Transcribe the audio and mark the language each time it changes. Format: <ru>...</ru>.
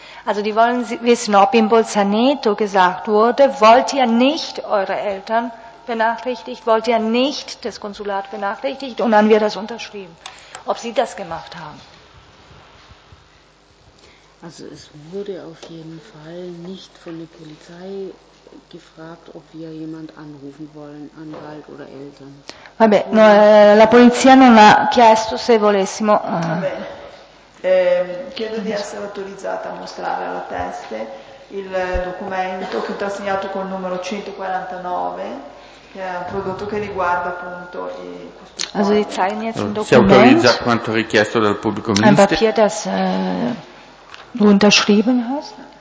<de>Also die wollen wissen, ob in Bolzaneto gesagt wurde, wollt ihr nicht eure Eltern benachrichtigt, wollt ihr nicht das Konsulat benachrichtigt, und dann wird das unterschrieben. Ob sie das gemacht haben. Also es wurde auf jeden Fall nicht von der Polizei gefragt, ob wir jemand anrufen wollen, Anwalt oder Eltern.</de> <it>Vabbè, no, la polizia non ha chiesto se volessimo. Chiedo di essere autorizzata a mostrare alla teste il documento che ti ha segnato col numero 149, che è un prodotto che riguarda appunto questo.</it> <de>Also, zeigen jetzt ein Dokument.</de> <it>Si autorizza quanto richiesto dal pubblico ministero.</it> <de>Ein Papier, das du unterschrieben hast.</de>